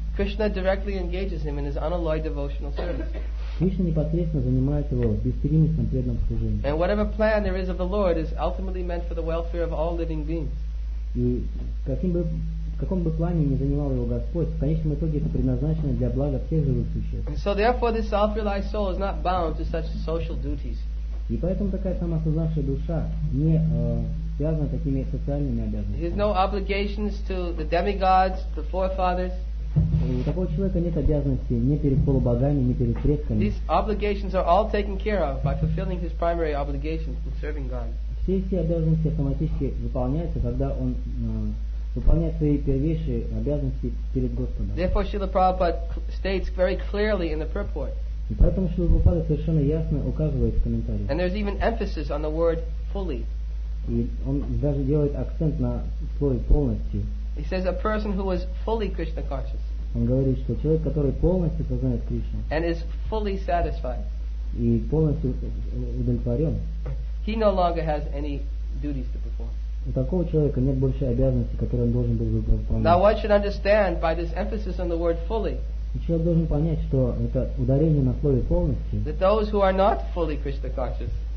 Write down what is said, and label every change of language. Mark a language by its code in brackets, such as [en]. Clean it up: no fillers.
[en] Krishna directly engages him in his unalloyed devotional service. [ru] Кришна непосредственно занимает его беспримесным преданным служением. [en] And whatever plan there is of the Lord is ultimately meant for the welfare of all living beings. [ru] И в каком бы плане ни занимал его Господь, в конечном итоге это предназначено для блага всех живых существ. [en] So therefore this self-realized soul is not bound to such social duties. [ru] И поэтому такая самосознавшая душа не связана такими социальными обязанностями. [en] He has no obligations to the demigods, the forefathers. [ru] У такого человека нет обязанностей ни перед полубогами, ни перед предками. [en] These obligations are all taken care of by fulfilling his primary obligations in serving God. [ru] Все эти обязанности автоматически выполняются, когда он выполняет свои первейшие обязанности перед Господом. [en] Therefore, Srila Prabhupada states very clearly in the purport. [ru] И поэтому Шрила Прабхупада совершенно ясно указывает в комментариях. [en] And there's even emphasis on the word fully. [ru] И он даже делает акцент на слове полностью. [en] He says a person who is fully Krishna conscious. [ru] Он говорит, что человек, который полностью сознает Кришну. [en] And is fully satisfied. [ru] И полностью удовлетворен. [en] He no longer has any duties to perform. [ru] У такого человека нет больше обязанностей, которые он должен был выполнять. [en] Now one should understand by this emphasis on the word fully. [ru] Человек должен понять, что это ударение на слове полностью. [en] That those who are not fully Krishna conscious.